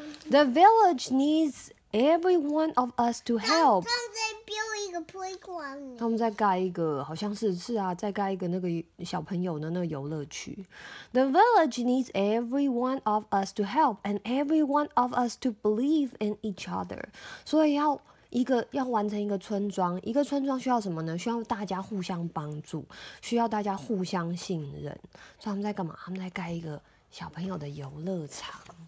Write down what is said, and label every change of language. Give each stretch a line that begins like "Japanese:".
English: The village needs every one of us to help.
Chinese: 他们在 build 一个 playground。他们在盖一个，好像是啊，在盖一个那个小朋友的那个游乐区。
English: The village needs every one of us to help, and every one of us to believe in each other.
Chinese: 所以要完成一个村庄，一个村庄需要什么呢？需要大家互相帮助，需要大家互相信任。所以他们在干嘛？他们在盖一个小朋友的游乐场。